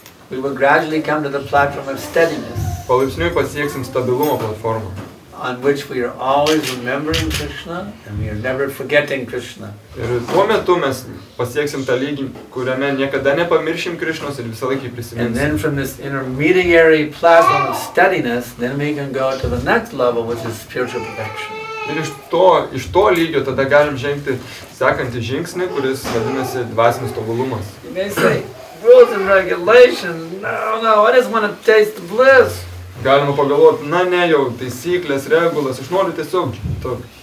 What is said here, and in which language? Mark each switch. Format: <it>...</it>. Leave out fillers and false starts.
<en>We will gradually come to the platform of steadiness.</en> <lt>Palaipsniui pasieksim stabilumo platformą.</lt> <en>On which we are always remembering Krishna and we are never forgetting Krishna.</en> <lt>Ir tuo metu mes pasieksim tą lygį, kuriame niekada nepamiršim Krishnos ir visą laikį prisiminsim.</lt> <en>And then from this intermediary platform of steadiness, then we can go to the next level, which is spiritual perfection.</en> <lt>Ir iš to lygio tada galim žengti sekantį žingsnį, kuris vadinasi dvasinis tobulumas.</lt> <en>You may say, rules and regulations, no, I just want to taste the bliss.</en> <lt>Galima pagalvoti, na ne, jau taisyklės, regulas, aš noriu tiesiog džiaugsmo.</lt>